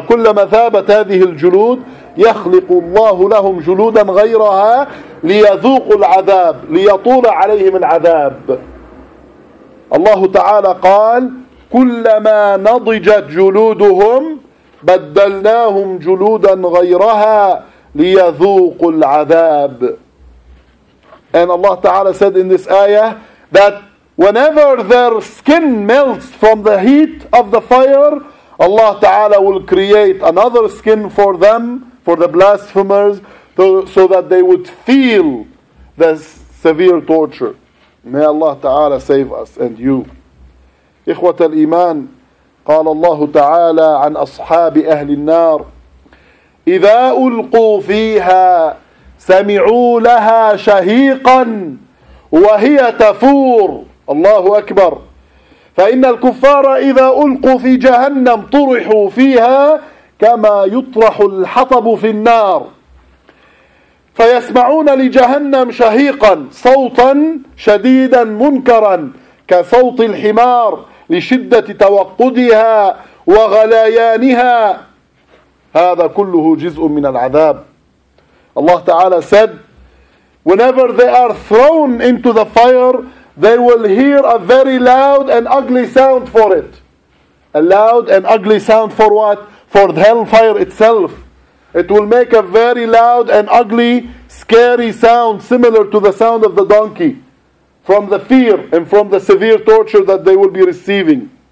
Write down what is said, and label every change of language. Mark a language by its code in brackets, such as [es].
[ar] كلما ثابت هذه الجلود يخلق الله لهم جلودا غيرها ليذوقوا العذاب، ليطول عليهم العذاب. الله تعالى قال: كلما نضجت جلودهم بدلناهم جلودا غيرها ليذوقوا العذاب. [en] And Allah تعالى said in this ayah that whenever their skin melts from the heat of the fire, Allah Ta'ala will create another skin for them, for the blasphemers, so that they would feel the severe torture. May Allah Ta'ala save us and you. [ar] إخوة الإيمان قال الله تعالى عن أصحاب أهل النار إذا ألقوا فيها سمعوا لها شهيقا وهي تفور. الله أكبر. فإن الكفار إذا ألقوا في جهنم طرحوا فيها كما يطرح الحطب في النار فيسمعون لجهنم شهيقا صوتا شديدا منكرا كصوت الحمار لشدة توقدها وغليانها. هذا كله جزء من العذاب. [en] الله تعالى said, whenever they are thrown into the fire, they will hear a very loud and ugly sound for it. A loud and ugly sound for what? For the hellfire itself. It will make a very loud and ugly, scary sound, similar to the sound of the donkey, from the fear and from the severe torture that they will be receiving.